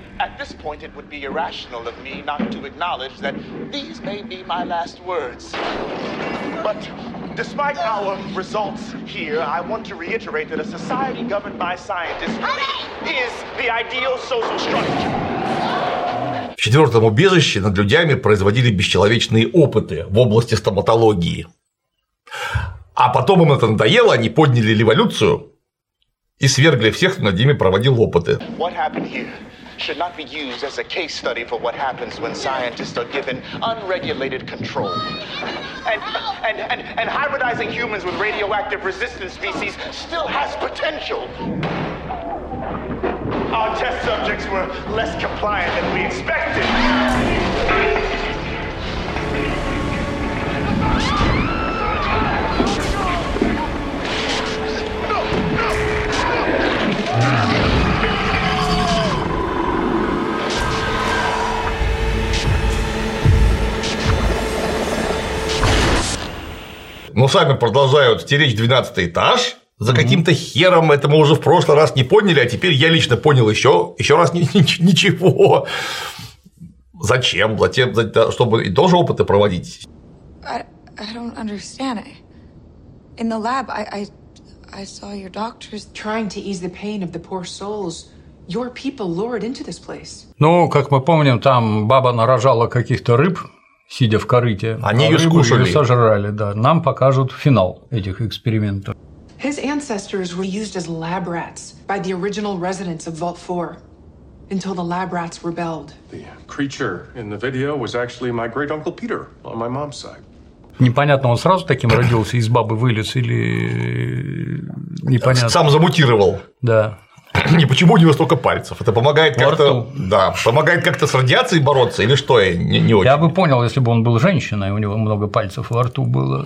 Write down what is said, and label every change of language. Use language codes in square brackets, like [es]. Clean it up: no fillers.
[ru] At this point, it would be irrational of me not to acknowledge that these may be my last words. But despite our results here, I want to reiterate that a society governed by scientists is the ideal social structure. В четвертом убежище над людьми производили бесчеловечные опыты в области стоматологии. А потом им это надоело, они подняли революцию и свергли всех, кто над ними проводил опыты. [en] What happened here should not be used as a case study for what happens when scientists are given unregulated control. And hybridizing humans with radioactive resistant species still has potential. Our test subjects were less compliant than we expected. [ru] Но сами продолжают стеречь 12 этаж за каким-то хером, это мы уже в прошлый раз не поняли, а теперь я лично понял еще раз ничего. Зачем? Затем, чтобы и тоже опыты проводить. [en] I don't understand. In the lab I saw your doctors trying to ease the pain of the poor souls your people lured into this place. [ru] Ну, как мы помним, там баба нарожала каких-то рыб, сидя в корыте. Они её скушали. Сожрали, да. Нам покажут финал этих экспериментов. [en] His ancestors were used as lab rats by the original residents of Vault 4 until the lab rats rebelled. The creature in the video was actually my great uncle Peter on my mom's side. [ru] Непонятно, он сразу таким родился, из бабы вылез или непонятно. Сам замутировал. Да. Не, почему у него столько пальцев? Это помогает как-то. Да, помогает как-то с радиацией бороться или что? Не очень. Я бы понял, если бы он был женщиной, у него много пальцев во рту было.